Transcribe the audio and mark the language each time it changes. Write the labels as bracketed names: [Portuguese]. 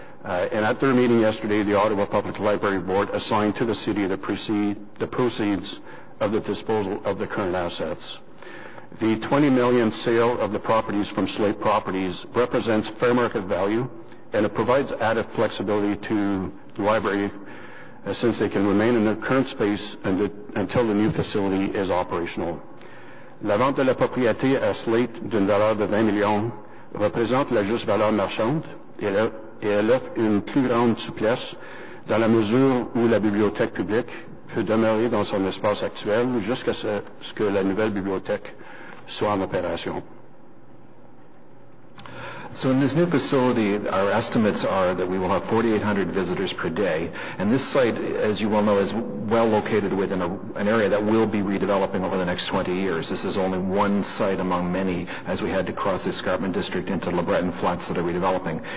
[English] And at their meeting yesterday, the Ottawa Public Library Board assigned to the city the proceeds of the disposal of the current assets. The $20 million sale of the properties from Slate Properties represents fair market value, and it provides added flexibility to the library since they can remain in their current space until the new facility is operational. [French] La vente de la propriété à Slate d'une valeur de 20 millions représente la juste valeur marchande et elle offre une plus grande souplesse dans la mesure où la bibliothèque publique peut demeurer dans son espace actuel jusqu'à ce que la nouvelle bibliothèque soit en opération. [English] So in this new facility, our estimates are that we will have 4,800 visitors per day. And this site, as you well know, is well located within an area that will be redeveloping over the next 20 years. This is only one site among many as we had to cross the Escarpment District into LeBreton Flats that are redeveloping.